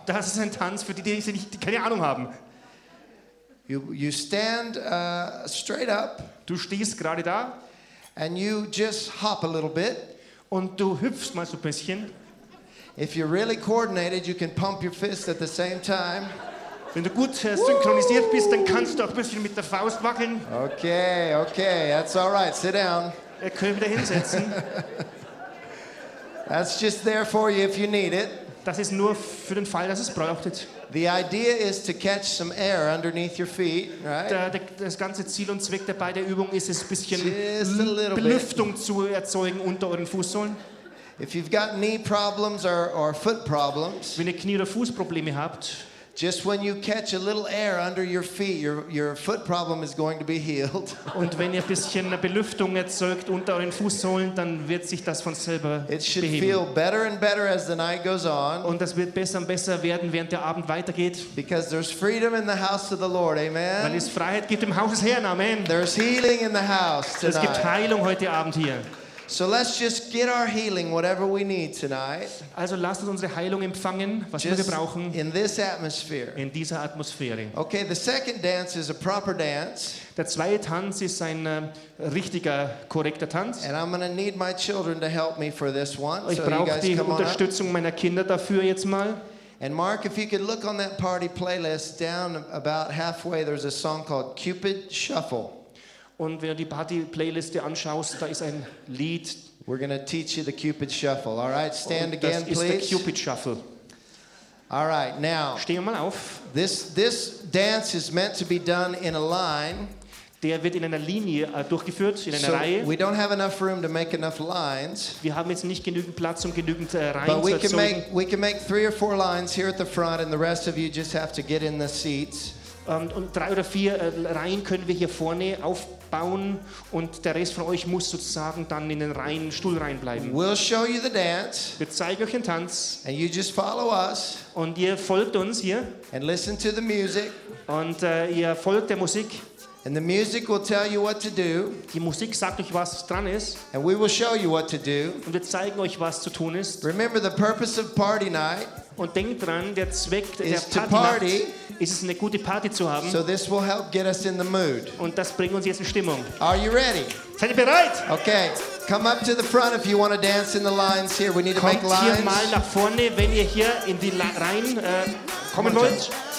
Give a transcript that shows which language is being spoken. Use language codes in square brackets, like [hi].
[de] Das ist ein Tanz für die keine Ahnung haben. [en] You stand straight up. [de] Du stehst gerade da. [en] And you just hop a little bit. [de] Und du hüpfst mal so ein bisschen. [en] If you're really coordinated, you can pump your fist at the same time. [de] Wenn du gut synchronisiert bist, dann kannst du auch ein bisschen mit der Faust wackeln. [en] Okay, that's all right. Sit down. [de] Ihr könnt wieder hinsetzen. [en] That's just there for you if you need it. [de] Das ist nur für den Fall, dass es braucht. [en] The idea is to catch some air underneath your feet, right? [de] Das ganze Ziel und Zweck dabei der Übung ist es, ein bisschen Belüftung zu erzeugen unter euren Fußsohlen. [en] If you've got knee problems or foot problems, [de] wenn ihr Knie- oder Fußprobleme habt, [en] just when you catch a little air under your feet, your foot problem is going to be healed. [de] Und wenn ihr ein bisschen Belüftung erzeugt unter euren Fußsohlen, dann wird sich das von selber beheben. [en] It should feel better and better as the night goes on. [de] Und das wird besser und besser werden, während der Abend weitergeht. [en] Because there's freedom in the house of the Lord, amen. [de] Weil es Freiheit gibt im Haus des Herrn, amen. [en] There's healing in the house tonight. [de] Es gibt Heilung heute Abend hier. [en] So let's just get our healing, whatever we need tonight. [de] Also lasst uns unsere Heilung empfangen, was wir brauchen. [en] In this atmosphere. [de] In dieser Atmosphäre. [en] Okay, the second dance is a proper dance. [de] Der zweite Tanz ist ein richtiger, korrekter Tanz. [en] And I'm going to need my children to help me for this one. [de] Ich brauche die Unterstützung meiner Kinder dafür jetzt mal. [en] And Mark, if you could look on that party playlist down about halfway, there's a song called Cupid Shuffle. [de] Und wenn du die Party-Playliste anschaust, da ist ein Lied. [en] We're going to teach you the Cupid Shuffle. All right, stand again, please. [de] Das ist der Cupid Shuffle. [en] All right, now. [de] Steh mal auf. [en] This dance is meant to be done in a line. [de] Der wird in einer Linie durchgeführt, in einer Reihe. [en] We don't have enough room to make enough lines. [de] Wir haben jetzt nicht genügend Platz, um genügend Reihen zu erzeugen. [en] But we can make three or four lines here at the front, and the rest of you just have to get in the seats. [de] Und drei oder vier Reihen können wir hier vorne aufbauen und der Rest von euch muss sozusagen dann in den Reihen, Stuhl reinbleiben. [en] We'll show you the dance. [de] Wir zeigen euch den Tanz. [en] And you just follow us. [de] Und ihr folgt uns hier. [en] And listen to the music. [de] Und ihr folgt der Musik. [en] And the music will tell you what to do. [de] Die Musik sagt euch, was dran ist. [en] And we will show you what to do. [de] Und wir zeigen euch, was zu tun ist. [en] Remember the purpose of party night. [de] Und denkt dran, der Zweck der Party ist es, eine gute Party zu haben. [en] So this will help get us in the mood. [de] Und das bringt uns jetzt in Stimmung. [en] Are you ready? [de] Seid ihr bereit? [en] Okay, come up to the front if you want to dance in the lines here. We need to make lines. [de] Kommt hier mal nach vorne, wenn ihr hier in die Reihen kommen wollt.